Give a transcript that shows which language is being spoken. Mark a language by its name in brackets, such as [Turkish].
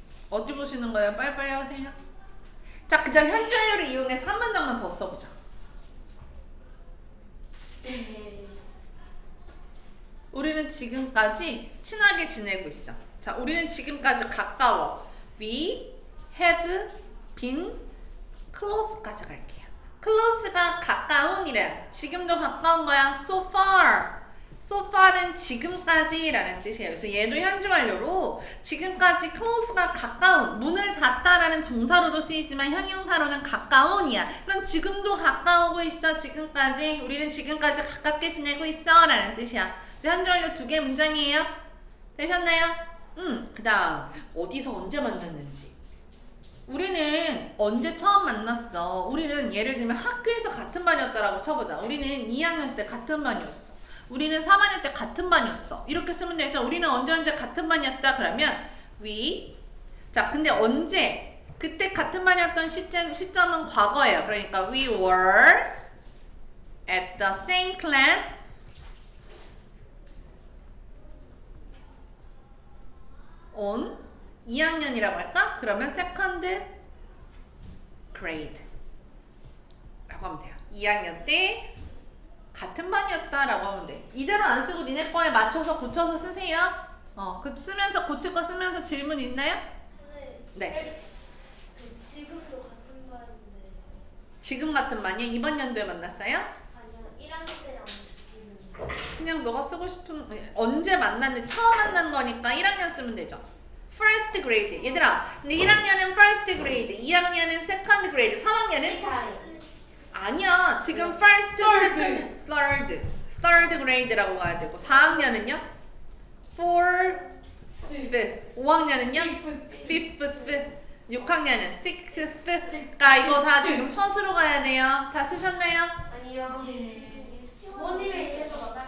[Korean] 어디 보시는 거예요? 빨리빨리 하세요. 자, 그 다음 현재 완료를 이용해서 한 문장만 더 써보자. 우리는 지금까지 친하게 지내고 있어. 자, 우리는 지금까지 가까워. [English] We have been close [Korean] 까지 갈게요. close가 가까운이래. 지금도 가까운 거야. [English] so far. [Korean] so far은 지금까지라는 뜻이에요. 그래서 얘도 현재 완료로 지금까지 close가 가까운 문을 닫다라는 동사로도 쓰이지만 형용사로는 가까운이야. 그럼 지금도 가까우고 있어. 지금까지 우리는 지금까지 가깝게 지내고 있어 라는 뜻이야. 이제 현재 완료 두 개 문장이에요. 되셨나요? 그 다음 어디서 언제 만났는지. 우리는 언제 처음 만났어. 우리는 예를 들면 학교에서 같은 반이었다라고 쳐보자. 우리는 2학년 때 같은 반이었어. 우리는 3학년 때 같은 반이었어. 이렇게 쓰면 되죠. 우리는 언제 언제 같은 반이었다 그러면 we. 자, 근데 언제 그때 같은 반이었던 시점은 과거예요. 그러니까 [English] we were at the same class on [Korean] 2학년이라고 할까? 그러면 [English] second grade [Korean] 라고 하면 돼요. 2학년 때 같은 반이었다 라고 하면 돼. 이대로 안 쓰고 니네 거에 맞춰서 고쳐서 쓰세요. 그 쓰면서 고칠 거 쓰면서 질문 있나요? 네. 네. 지금도 같은 반인데. 지금 같은 반이야? 이번 연도에 만났어요? 아니요. 1학년 때랑 지금. 그냥 너가 쓰고 싶은, 언제 만났는지 처음 만난 거니까 1학년 쓰면 되죠. [English] First grade. [Korean] 얘들아, 1학년은 [English] first grade, [Korean] 2학년은 [English] second grade, [Korean] 3학년은? 아니야. 지금 [English] first, second, third. Third grade [Korean] 라고 가야 되고 4학년은요? [English] fourth. [Korean] 5학년은요? [English] fifth. [Korean] 6학년은 [English] sixth. [Korean] 그러니까 이거 다 지금 첫으로 가야 돼요. 다 쓰셨나요? 아니요. 언니를 이제서 만나.